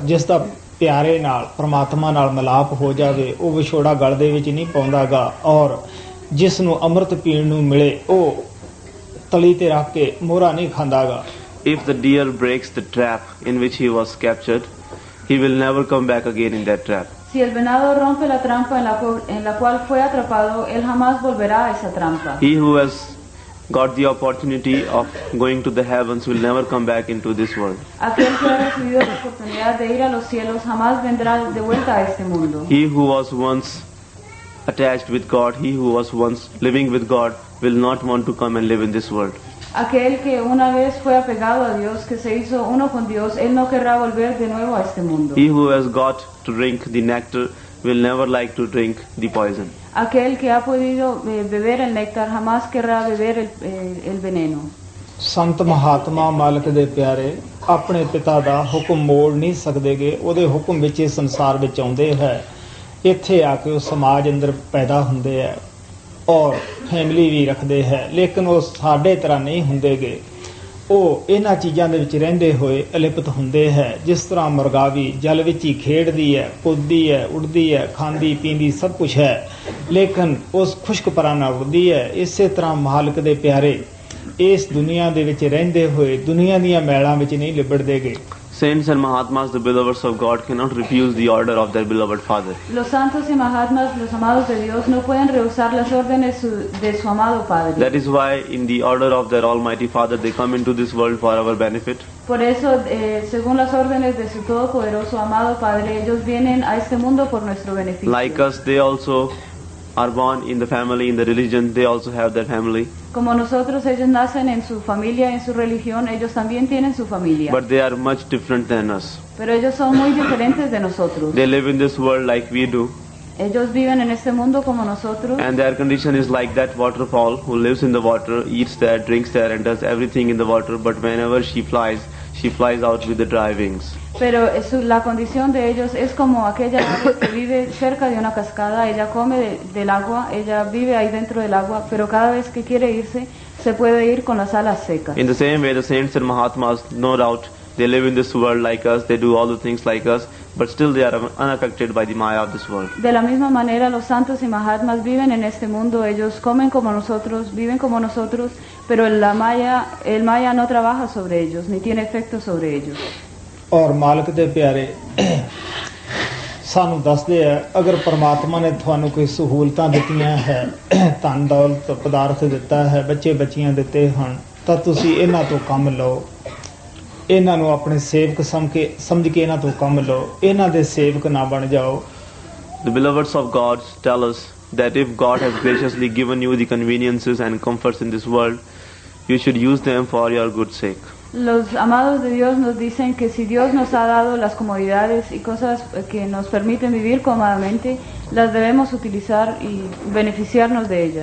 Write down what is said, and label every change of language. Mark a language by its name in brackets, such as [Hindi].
[Punjabi] ਜਿਸ ਦਾ ਪਿਆਰੇ ਨਾਲ ਪਰਮਾਤਮਾ ਨਾਲ ਮਿਲਾਪ ਹੋ ਜਾਵੇ ਉਹ ਵਿਛੋੜਾ ਗਲ ਦੇ ਵਿੱਚ ਨਹੀਂ ਪਾਉਂਦਾ ਗਾ. ਔਰ ਜਿਸ ਨੂੰ ਅੰਮ੍ਰਿਤ ਪੀਣ ਨੂੰ ਮਿਲੇ ਉਹ ਤਲੀ 'ਤੇ ਰੱਖ ਕੇ ਮੋਹਰਾ ਨਹੀਂ ਖਾਂਦਾ ਗਾ. [English] If the deer breaks the trap in ਵਿੱਚ he was captured, he will never come back again in that trap. [Spanish] Si el venado rompe la trampa en la cual fue atrapado, él jamás volverá a esa trampa. [English] He who has got the opportunity of going to the heavens will never come back into this world. [Spanish] Aquel que ha recibido la oportunidad de ir a los cielos jamás vendrá de vuelta a este mundo. [English] He who was once attached with God, he who was once living with God, will not want to come and live in this world. [Spanish] Aquel que una vez fue apegado a Dios, que se hizo uno con Dios, él no querrá volver de nuevo a este mundo. [English] He who has got to drink the nectar will never like to drink the poison. [Spanish] Aquel que ha podido beber el néctar jamás querrá beber el veneno. [Punjabi] Sant Mahatma Malik de Pyare apne pita da hukum mod nahi sakde ge, ohde hukum vich is sansar vich aunde hai. Itthe aake oh samaj andar paida hunde hai ਔਰ family ਵੀ ਰੱਖਦੇ ਹੈ, ਲੇਕਿਨ ਉਹ ਸਾਡੇ ਤਰ੍ਹਾਂ ਨਹੀਂ ਹੁੰਦੇ ਗੇ. ਉਹ ਇਹਨਾਂ ਚੀਜ਼ਾਂ ਦੇ ਵਿੱਚ ਰਹਿੰਦੇ ਹੋਏ ਅਲਿਪਤ ਹੁੰਦੇ ਹੈ, ਜਿਸ ਤਰ੍ਹਾਂ ਮੁਰਗਾਵੀ ਜਲ ਵਿੱਚ ਹੀ ਖੇਡਦੀ ਹੈ, ਕੁੱਦਦੀ ਹੈ, ਉੱਡਦੀ ਹੈ, ਖਾਂਦੀ ਪੀਂਦੀ ਸਭ ਕੁਛ ਹੈ, ਲੇਕਿਨ ਉਸ ਖੁਸ਼ਕ ਪਰਾਂ ਨਾਲ ਉੱਡਦੀ ਹੈ. ਇਸੇ ਤਰ੍ਹਾਂ ਮਾਲਕ ਦੇ ਪਿਆਰੇ ਇਸ ਦੁਨੀਆਂ ਦੇ ਵਿੱਚ ਰਹਿੰਦੇ ਹੋਏ ਦੁਨੀਆਂ ਦੀਆਂ ਮੈਲਾਂ ਵਿੱਚ ਨਹੀਂ ਲਿਬੜਦੇ ਗੇ. [English] Saints and Mahatmas, the beloveds of God, cannot refuse the order of their beloved Father. [Spanish] Los santos y mahatmas, los amados de Dios, no pueden rehusar las órdenes de su amado Padre. [English] That is why in the order of their Almighty Father they come into this world for our benefit. [Spanish] Por eso, según las órdenes de su Todopoderoso amado Padre, ellos vienen a este mundo por nuestro beneficio. [English] Like us, they also are born in the family, in the religion, they also have their family. [Spanish] Como nosotros, ellos nacen en su familia, en su religión, ellos también tienen su familia. [English] But they are much different than us. [Spanish] Pero ellos son muy diferentes de nosotros. [English] They live in this world like we do. [Spanish] Ellos viven en este mundo como nosotros. [English] And their condition is like that waterfall who lives in the water, eats there, drinks there and does everything in the water, but whenever she flies out with the dry wings. [Spanish] Pero la condición de ellos es como aquella ave que vive cerca de una cascada. Ella come del agua, ella vive ahí dentro del agua, pero cada vez que quiere irse, se puede ir con las alas secas. [English] In the same way, the saints and mahatmas, no doubt, they live in this world like us, they do all the things like us, but still they are unaffected by the maya of this world. [Spanish] De la misma manera, los santos y mahatmas viven en este mundo. Ellos comen como nosotros, viven como nosotros, pero el maya no trabaja sobre ellos, ni tiene efecto sobre ellos. [Punjabi] ਔਰ ਮਾਲਕ ਦੇ ਪਿਆਰੇ ਸਾਨੂੰ ਦੱਸਦੇ ਆ, ਅਗਰ ਪਰਮਾਤਮਾ ਨੇ ਤੁਹਾਨੂੰ ਕੋਈ ਸਹੂਲਤਾਂ ਦਿੱਤੀਆਂ ਹੈ, ਧਨ ਦੌਲਤ ਪਦਾਰਥ ਦਿੱਤਾ ਹੈ, ਬੱਚੇ ਬੱਚੀਆਂ ਦਿੱਤੇ ਹਨ, ਤਾਂ ਤੁਸੀਂ ਇਹਨਾਂ ਤੋਂ ਕੰਮ ਲਓ, ਇਹਨਾਂ ਨੂੰ ਆਪਣੇ ਸੇਵਕ ਸਮਝ ਕੇ ਇਹਨਾਂ ਤੋਂ ਕੰਮ ਲਓ, ਇਹਨਾਂ ਦੇ ਸੇਵਕ ਨਾ ਬਣ ਜਾਓ. [English] The beloveds of God tell us that if God has graciously given you the conveniences and comforts in this world, you should use them for your good sake. [Spanish] Los amados de Dios nos dicen que si Dios nos ha dado las comodidades y cosas que nos permiten vivir cómodamente, las debemos utilizar y beneficiarnos de ellas.